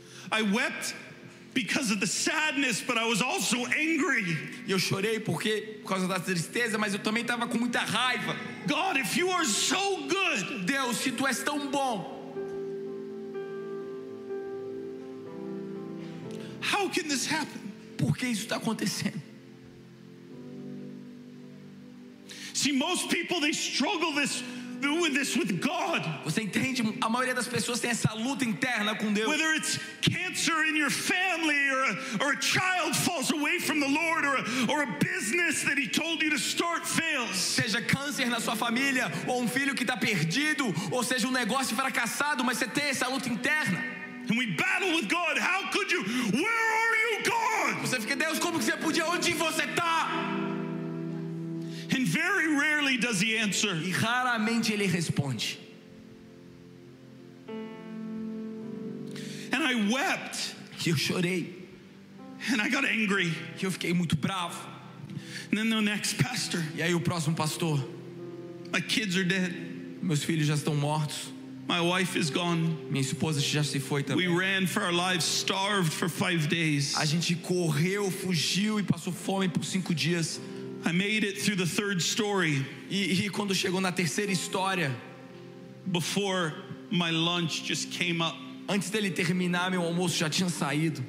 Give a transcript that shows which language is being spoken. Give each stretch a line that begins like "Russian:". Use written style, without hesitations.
English: I wept because of the sadness, but I was also angry.
Portuguese: Eu chorei por causa da tristeza, mas eu também estava com muita raiva.
English: God, if you are so good.
Portuguese: Deus, se tu és tão bom.
English: How can this happen?
Portuguese: Por que isso está acontecendo?
English: See, most people, they struggle this. Doing this with God.
Portuguese: Você entende? A maioria das pessoas tem essa luta interna com Deus.
English: Whether it's cancer in your family, or a child falls away from the Lord, or a business that He told you to start fails.
Portuguese: Seja câncer na sua família, ou um filho que está perdido, ou seja um negócio fracassado, mas você tem essa luta interna.
English: And we battle with God. How could you? Where are you, God?
Portuguese: Você fica, Deus, como que você podia? Onde você está?
English: And very rarely does he answer.
Portuguese: E raramente ele responde.
English: And I wept.
Portuguese: E eu chorei.
English: And I got angry.
Portuguese: E eu fiquei muito bravo.
English: And then the next pastor.
Portuguese: E aí o próximo pastor.
English: My kids are dead.
Portuguese: Meus filhos já estão mortos.
English: My wife is gone.
Portuguese: Minha esposa já se foi também.
English: We ran for our lives, starved for 5 days.
Portuguese: A gente correu, fugiu e passou fome por 5 dias.
English: I made it through the third story.
Portuguese: E quando chegou na terceira história,
English: before my lunch just came up.
Portuguese: Antes dele terminar, meu almoço já tinha saído.